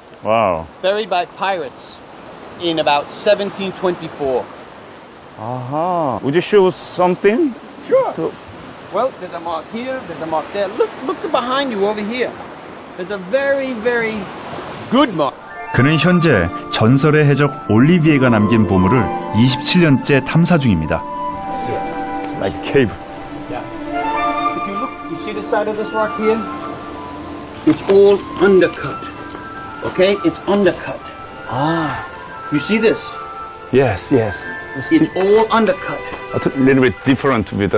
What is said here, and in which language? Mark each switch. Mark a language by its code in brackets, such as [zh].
[en] Wow. Buried by pirates in about 1724. Aha, uh-huh. Would you show us something? Sure. Well, there's a mark here, there's a mark there. Look behind you over here. There's a very, very good mark. [ko] 그는 현재 전설의 해적 올리비에가 남긴 보물을 27년째 탐사 중입니다. [en] It's like a cave. Yeah. If you look, you see the side of this rock here? It's all undercut. Okay? It's undercut. Ah. You see this? Yes, yes. It's all undercut. A little bit different with the...